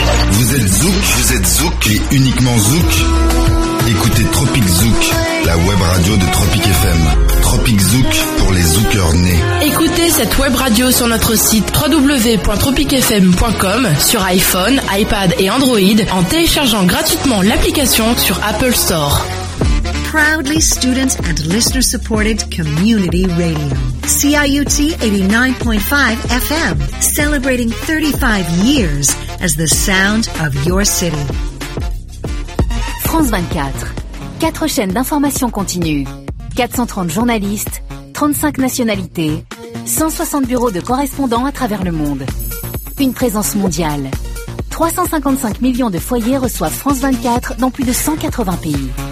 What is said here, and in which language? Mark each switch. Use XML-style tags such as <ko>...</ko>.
<fr>Vous êtes Zouk, vous êtes Zouk et uniquement Zouk. Écoutez Tropic Zouk, la web radio de Tropic FM. Tropic Zouk pour les zoukers nés. Écoutez cette web radio sur notre site www.tropicfm.com, sur iPhone, iPad et Android, en téléchargeant gratuitement l'application sur Apple Store.</fr> <en>Proudly student and listener supported community radio. CIUT 89.5 FM, celebrating 35 years as the sound of your city.</en> <fr>France 24, 4 chaînes d'information continue, 430 journalistes, 35 nationalités, 160 bureaux de correspondants à travers le monde. Une présence mondiale. 355 millions de foyers reçoivent France 24 dans plus de 180 pays.</fr>